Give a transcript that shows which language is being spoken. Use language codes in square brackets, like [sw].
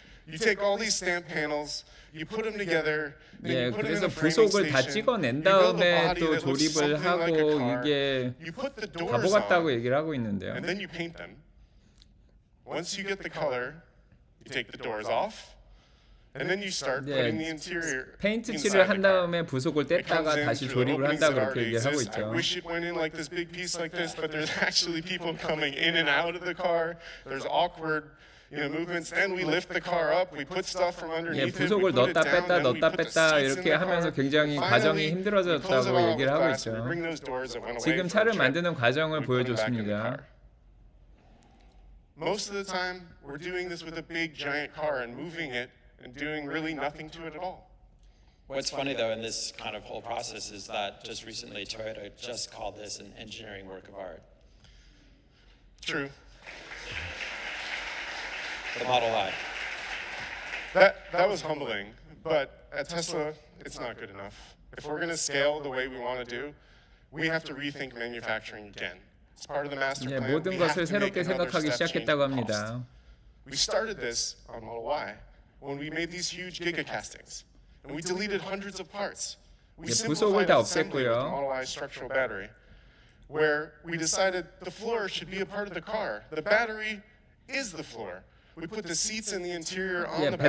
[en] You take all these stamp panels, you put them together, then you put them in a framing station, you build a body that looks something like a car, you put the doors on, and then you paint them. Once you get the color, you take the doors off, and then you start putting the interior. [ko] 페인트칠을 한 다음에 부속을 뗐다가 다시 조립을 한다 그렇게 얘기하고 있죠. [en] I wish it went in like this big piece like this, but there's actually people coming in and out of the car. There's awkward, you know, movements. Then we lift the car up. We put stuff from underneath. [ko] 예, 부속을 넣다 뺐다 넣다 뺐다 이렇게 하면서 굉장히 과정이 힘들어졌다고 얘기를 하고 있죠. 지금 차를 만드는 과정을 보여줬습니다. [en] Most of the time, we're doing this with a big giant car and moving it. And doing really nothing to it at all. What's funny though in this kind of whole process is that just recently Toyota just called this an engineering work of art. True. The Model Y. That was humbling, but at Tesla, it's not good enough. If we're going to scale the way we want to do, we have to rethink manufacturing again. It's part of the master plan. [ko] 예, 모든 것을 새롭게 생각하기 시작했다고 합니다. [en] We started this on Model Y. When we made these huge giga castings, and we deleted hundreds of parts, we simplified assembly with an Model Y structural battery, where we decided the floor should be a part of the car. The battery is the floor. We put the seats in the interior on the battery.